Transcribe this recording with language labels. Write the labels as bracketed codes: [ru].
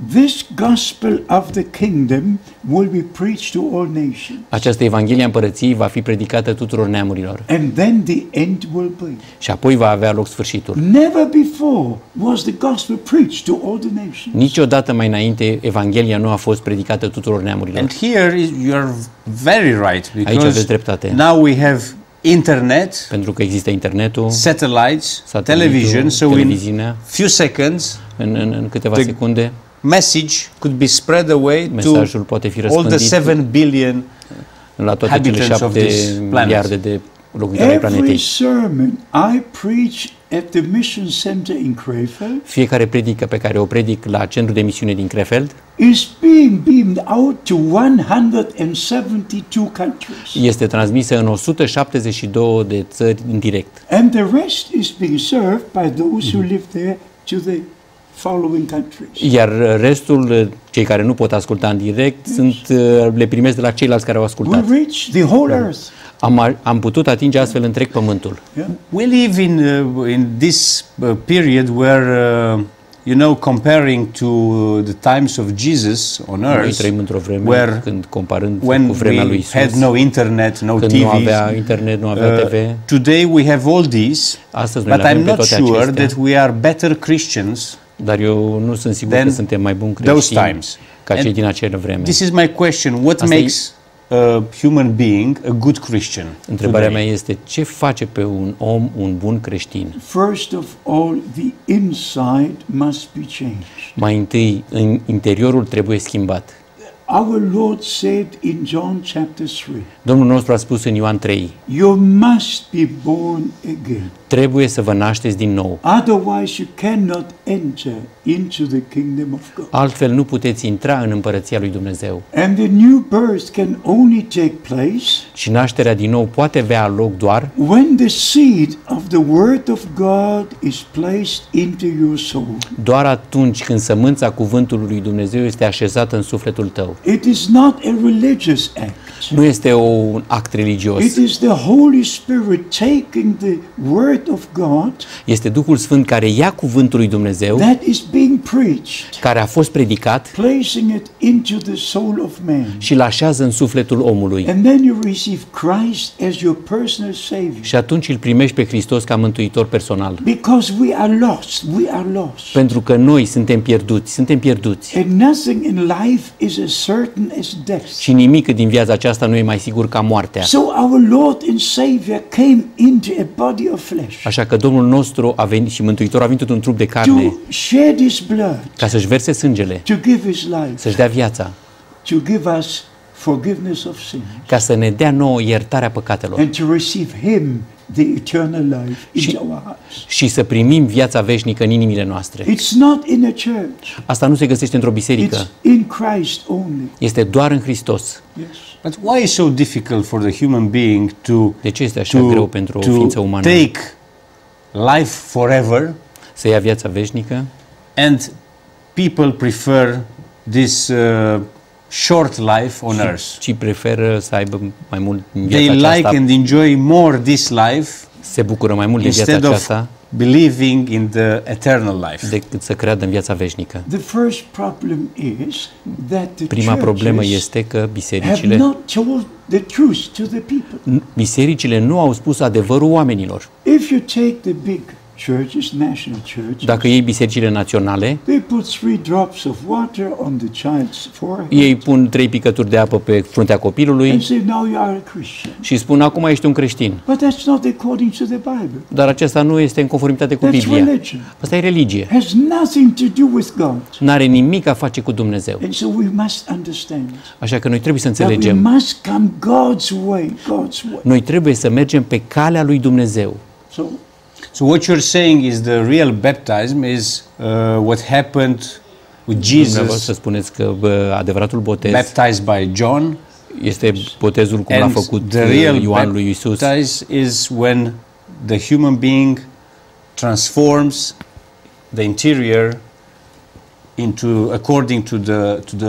[en] This gospel of the kingdom will be preached to all nations. [ro] Această evanghelie a împărăției va fi predicată tuturor neamurilor. [en] And then the end will be. [ro] Și apoi va avea loc sfârșitul. [en] Never before was the gospel preached to all the nations. [ro] Niciodată mai înainte evanghelia nu a fost predicată tuturor neamurilor. [en] And here you are very right, because [ro] aici aveți dreptate. [en] Now we have internet, [ro] pentru că există internetul, [en] satellites, television, so in few seconds, [ro] în câteva secunde, [en] message could be spread away to [ro] mesajul poate fi răspândit [en] all the 7 billion [ro] la toate cele 7 miliarde de locuitorii planetei. [en] Every sermon I preach at the mission center in Krefeld. [ro] Fiecare predică pe care o predic la centrul de misiune din Krefeld [en] is being beamed out to 172 countries. [ro] Este transmisă în 172 de țări în direct. [en] And the rest is being served by those who live there to the following countries. [ro] Iar restul, cei care nu pot asculta în direct, yes, sunt, le primesc de la ceilalți care au ascultat. [en] We reach the whole earth. [ro] Am putut atinge astfel întreg pământul. [en] Yeah. We live in this period where you know, comparing to the times of Jesus on earth. [ro] Noi trăim într-o vreme where, când comparând cu vremea lui Isus. [en] When we had no internet, no TV. [ro] Nu avea internet, nu avea TV. [en] Today we have all this. [ro] Astăzi [en] but I'm not sure [ro] acestea. [en] That we are better Christians. [ro] Dar eu nu sunt sigur că suntem mai buni creștini ca cei din acea vreme. [en] This is my question. What makes a human being a good Christian? [ro] Întrebarea mea este ce face pe un om un bun creștin? [en] First of all, the inside must be changed. [ro] Mai întâi, în interiorul trebuie schimbat. [en] Our Lord said in John chapter 3. [ro] Domnul nostru a spus în Ioan 3. [en] You must be born again. [ro] Trebuie să vă nașteți din nou. [en] Otherwise you cannot enter into the kingdom of God. [ro] Altfel nu puteți intra în împărăția lui Dumnezeu. [en] And the new birth can only take place. [ro] Și nașterea din nou poate avea loc doar [en] when the seed of the word of God is placed into your soul. [ro] Doar atunci când sămânța cuvântului lui Dumnezeu este așezată în sufletul tău. [en] It is not a religious act. [ro] Nu este un act religios. [en] It is the Holy Spirit taking the word of God. [ro] Este Duhul Sfânt care ia cuvântul lui Dumnezeu. [en] That is being preached. [ro] Care a fost predicat. [en] Placing it into the soul of man. [ro] Și lașează în sufletul omului. [en] And then you receive Christ as your personal savior. [ro] Și atunci îl primești pe Hristos ca mântuitor personal. [en] Because we are lost. We are lost. [ro] Pentru că noi suntem pierduți. Suntem pierduți. [en] And nothing in life is as certain as death. [ro] Și nimic din viața aceasta nu e mai sigur ca moartea. [en] So our Lord and Savior came into a body of flesh. [ro] Așa că Domnul nostru a venit și Mântuitorul a venit într-un trup de carne. [en] To shed his blood. [ro] Ca să-și verse sângele. [en] To give his life. [ro] Să-și dea viața. [en] To give us forgiveness of sins. [ro] Ca să ne dea nouă iertarea păcatelor. [en] And to receive him the eternal life in our hearts. [ro] Și să primim viața veșnică în inimile noastre. [en] It's not in a church. [ro] Asta nu se găsește într-o biserică. [en] It's in Christ only. [ro] Este doar în Hristos. [en] Yes. But why is so difficult for the human being to [ro] de ce este așa greu pentru o ființă umană? [en] Take life forever. [ro] Să ia viața veșnică. [en] And people prefer this short life on earth. [ro] Ci preferă să aibă mai mult viața [en] they [ro] aceasta. [en] They like and enjoy more this life. [ro] Se bucură mai mult de viața aceasta. [en] Instead of believing in the eternal life. [ro] Decât să creadă în viața veșnică. [en] The first problem is that the [ro] prima problemă este că bisericile [en] have not told the truth to the people. [ro] Bisericile nu au spus adevărul oamenilor. [en] If you take the big churches, national churches. [ro] Dacă iei bisericile naționale, [en] they put three drops of water on the child's forehead. [ro] Ei pun trei picături de apă pe fruntea copilului. [en] And say, now you are a Christian. [ro] Și spun acum ești un creștin. [en] But that's not according to the Bible. [ro] Dar acesta nu este în conformitate cu Biblia. Asta e religie. [en] Has nothing to do with God. [ro] N-are nimic a face cu Dumnezeu. [en] And so we must understand. [ro] Așa că noi trebuie să înțelegem. [en] We must come God's way, God's way. [ro] Noi trebuie să mergem pe calea lui Dumnezeu. [en] So what you're saying is the real baptism is what happened with Jesus. [ro] Vreau să spuneți că adevăratul botez [en] baptized by John [ro] este botezul cum l-a făcut Ioan lui Isus. [en] The real baptism is when the human being transforms the interior into according to the